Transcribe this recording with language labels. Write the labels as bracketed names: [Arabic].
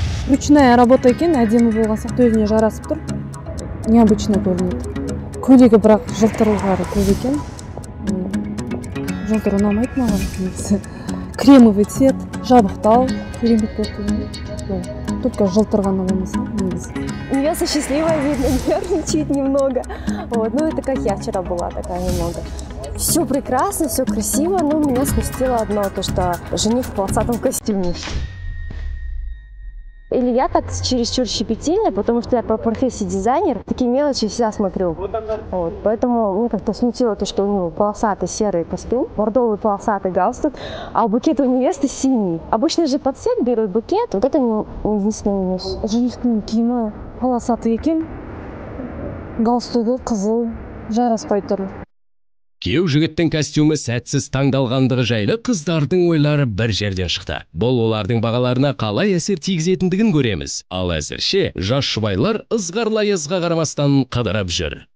[Kazakh] Ручная работа екен, әдемі болғасы өзіне жарасып тұр. Необычно көрінеді. Көйлегі бірақ жылтырлары көп екен. Жылтыр ұнамайды маған. [Russian] Кремовый цвет, [Kazakh] жабықтау, керемет көрінеді. Только жылтырғаны болмаса, негізі. [Russian] У меня со счастливой видно, нервничает немного. Вот. Ну, это как я вчера была такая немного. Все прекрасно, все красиво, но меня смустило одно, то, что жених в полосатом костюме. Или я так чересчур щепетильная, потому что я по профессии дизайнер, такие мелочи всегда смотрю. Вот. Поэтому мне как-то смутило то, что у него полосатый серый костюм, бордовый полосатый галстук, а букет у невесты синий. Обычно же под цвет берут букет, вот это единственный минус. [Kazakh] Женихтың киімі полосатый екен, галстугы қызыл, жараспай тұр. Кеу жігіттің костюмы сәтсіз таңдалғандығы жайлы қыздардың ойлары бір жерден шықты. Бұл олардың бағаларына қалай әсер тигізетіндігін көреміз. Ал әзірше жас жұбайлар ызғарлы аязға қарамастан қыдырып жүр.